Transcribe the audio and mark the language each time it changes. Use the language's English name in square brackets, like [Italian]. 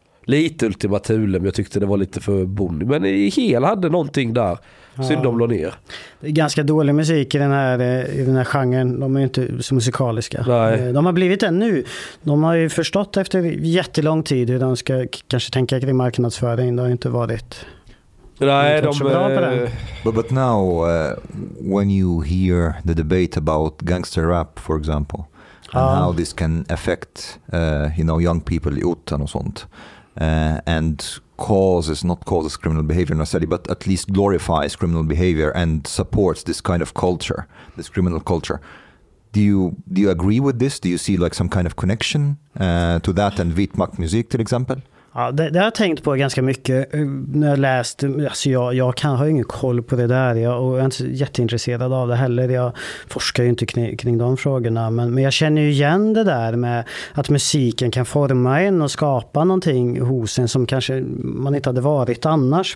[Swedish] Lite Ultima Thule, men jag tyckte det var lite för bonny. Men i hel hade någonting där. Synd de låg ner. Det är ganska dålig musik i den här genren. De är ju inte så musikaliska. Nej. De har blivit det nu. De har ju förstått efter jättelång tid hur de ska kanske tänka kring marknadsföring. Det har ju inte varit... Nej, de är bra på det. [English] But now, when you hear the debate about gangster rap, for example, and how this can affect you know, young people [Swedish] i utan och sånt, [English] and causes, not causes criminal behavior necessarily, but at least glorifies criminal behavior and supports this kind of culture, this criminal culture. Do you agree with this? Do you see like some kind of connection to that and [Swedish] Vitmakt musik till exempel? Ja, det har jag tänkt på ganska mycket när jag läst. Alltså jag kan ha ingen koll på det där. Jag är inte jätteintresserad av det heller. Jag forskar ju inte kring de frågorna. Men jag känner ju igen det där med att musiken kan forma en och skapa någonting hos en som kanske man inte hade varit annars.